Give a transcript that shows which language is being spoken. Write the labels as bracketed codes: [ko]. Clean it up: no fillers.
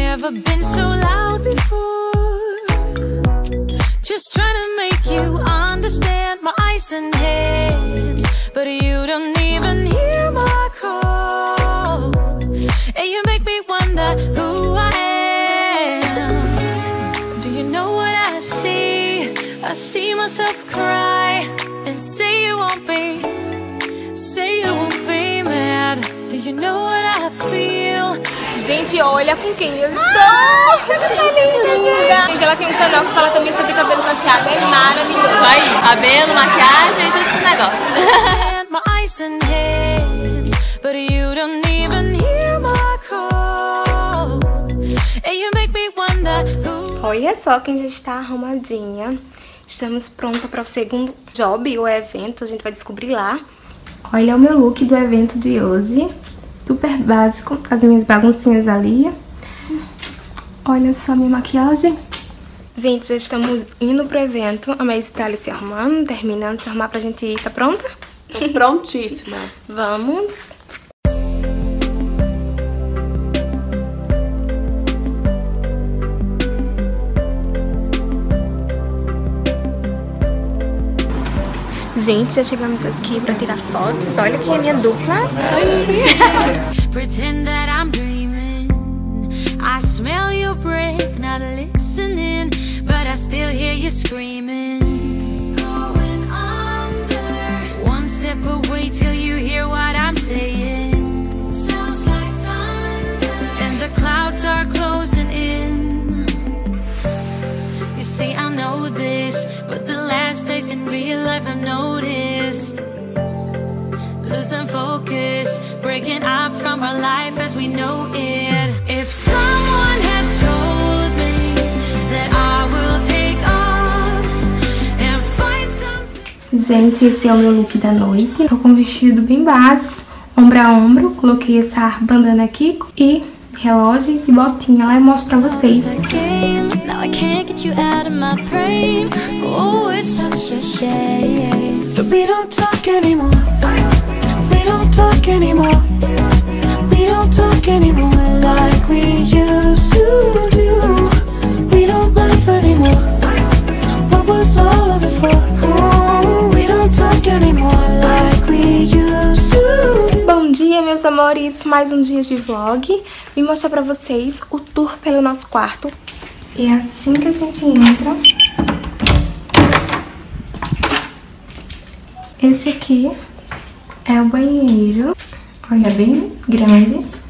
[en] Been so loud before, just trying to make you understand my eyes and hands, but you don't even hear my call, and you make me wonder who I am. Do you know what I see? I see myself cry and say you won't be, say you won't be mad. Do you know what I feel? [pt] Gente, olha com quem eu estou. Ah, gente, tá linda. Gente, ela tem um canal que fala também sobre cabelo cacheado. É maravilhoso. Vai, cabelo, maquiagem e todo esse negócio. [en] My eyes and hands, but you don't even hear my call. And you make me wonder who... [pt] Olha só quem já está arrumadinha. Estamos pronta para o segundo job ou evento. A gente vai descobrir lá. Olha o meu look do evento de hoje. Super básico, as minhas baguncinhas ali. Olha só minha maquiagem. Gente, já estamos indo pro evento. A Maisie tá ali se arrumando, terminando de se arrumar pra gente ir. Tá pronta? Tô prontíssima. Vamos. Gente, já chegamos aqui pra tirar fotos. Olha aqui a minha dupla. [en] Pretend that I'm dreaming. I smell your breath, not listening, but I still hear you screaming. Going under. One step away till you hear what I'm saying. Sounds like thunder. And the clouds are closing in. You see, I know this, but the last days in real life I've noticed. Losing focus, breaking up from our life as we know it. If someone had told me that I will take off and find something. [pt] Gente, esse é o meu look da noite. Tô com um vestido bem básico, ombro a ombro. Coloquei essa bandana aqui e relógio e botinha. Lá eu mostro pra vocês. [en] Now I can't get you out of my frame. Oh, it's such a shame. We don't talk anymore. We don't talk anymore. We don't talk anymore like we used to do. We don't laugh anymore. What was all of it for? We don't talk anymore like we used to do. [pt] Bom dia, meus amores. Mais um dia de vlog. Vim mostrar pra vocês o tour pelo nosso quarto. É assim que a gente entra. Esse aqui é o banheiro. Olha, bem grande.